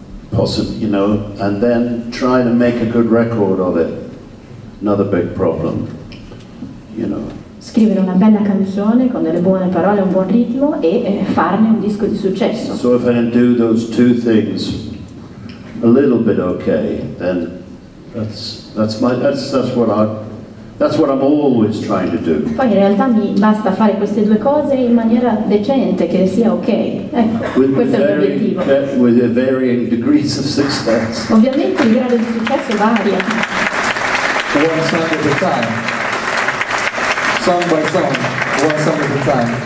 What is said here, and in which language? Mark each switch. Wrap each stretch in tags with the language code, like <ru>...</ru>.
<en>Possibly, you know, and then try to make a good record of it. Another big problem, you know.</en> <it>Scrivere una bella canzone con delle buone parole, un buon ritmo e farne un disco di successo.</it> <en>So if I can do those two things a little bit okay, then that's what I'm always trying to do.</en> <it>Poi in realtà mi basta fare queste due cose in maniera decente, che sia ok. Ecco,</it> <en>with</en> <it>questo è l'obiettivo.</it> <en>With varying degrees of success.</en> <it>Ovviamente il grado di successo varia.</it> <en>One song at a time. Song by song. One song at a time.</en>